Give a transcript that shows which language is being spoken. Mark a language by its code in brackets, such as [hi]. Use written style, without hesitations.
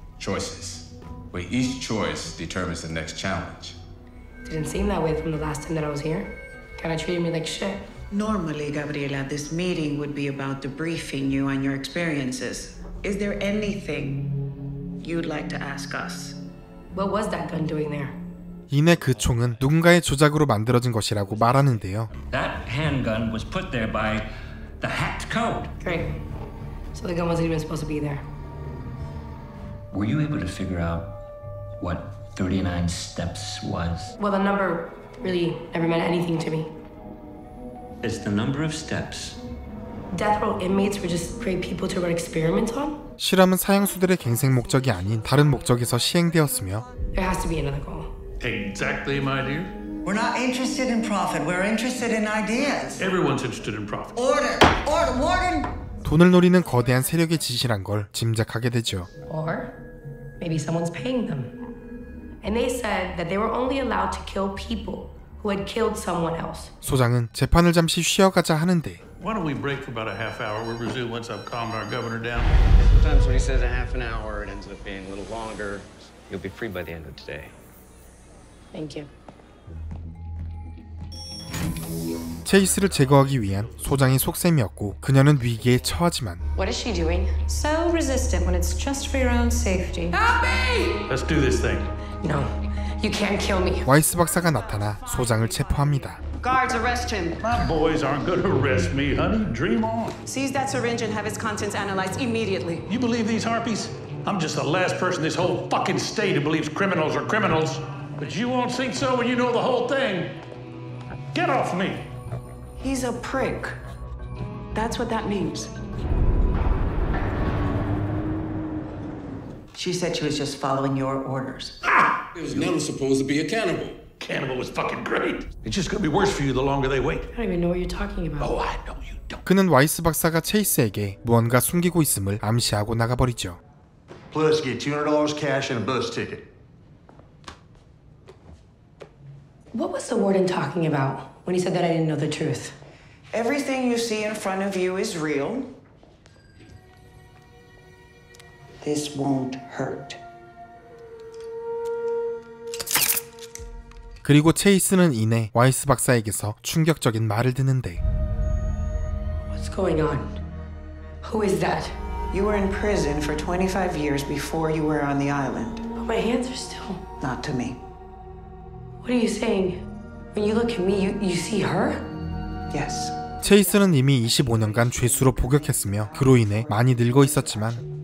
[en] Choices. Where each choice determines the next challenge. Didn't seem that way from the last time that I was here. Kind of treated me like shit. Normally, Gabriela, this meeting would be about debriefing you on your experiences. Is there anything you'd like to ask us? What was that gun doing there? [ko] 이내 그 총은 누군가의 조작으로 만들어진 것이라고 말하는데요. [en] That handgun was put there by the hacked code. Great. So the gun wasn't even supposed to be there. Were you able to figure out what 39 steps was? Well, the number really never meant anything to me. It's the number of steps. Death row inmates were just great people to run experiments on? [ko] 실험은 사형수들의 갱생 목적이 아닌 다른 목적에서 시행되었으며 [en] There has to be another goal. Exactly, my dear. We're not interested in profit. We're interested in ideas. Everyone's interested in profit. Order! Order! Warden! [ko] 돈을 노리는 거대한 세력의 지시란 걸 짐작하게 되죠. [en] Or maybe someone's paying them. And they said that they were only allowed to kill people who had killed someone else. [ko] 소장은 재판을 잠시 쉬어가자 하는데 [en] Why don't we break for about a half hour? We'll resume once I've calmed our governor down. Sometimes when he says a half an hour, it ends up being a little longer. You'll be free by the end of today. Thank you. [ko] 체이스를 제거하기 위한 소장의 속셈이었고 그녀는 위기에 처하지만 [en] What is she doing? So resistant when it's just for your own safety. Help me! Let's do this thing. No. You can't kill me. [ko] 와이스 박사가 나타나 소장을 체포합니다. [en] Guards arrest him. My boys aren't going to arrest me, honey. Dream on. Seize that syringe and have its contents analyzed immediately. You believe these harpies? I'm just the last person in this whole fucking state who believes criminals are criminals. But you won't think so when you know the whole thing. Get off me. He's a prick. That's what that means. She said she was just following your orders. Ha! It was never supposed to be a cannibal. Cannibal was fucking great. It's just gonna be worse for you the longer they wait. I don't even know what you're talking about. Oh, I know you don't. [ko] 그는 와이스 박사가 체이스에게 무언가 숨기고 있음을 암시하고 나가버리죠. [en] Plus get $200 cash and a bus ticket. What was the warden talking about when he said that I didn't know the truth? Everything you see in front of you is real. This won't hurt. [ko] 그리고 체이스는 이내 와이스 박사에게서 충격적인 말을 듣는데 [en] What's going on? Who is that? You were in prison for 25 years before you were on the island. But my hands are still... Not to me. What are you saying? When you look at me, you see her? Yes. [ko] 체이스는 이미 25년간 죄수로 복역했으며 그로 인해 많이 늙어 있었지만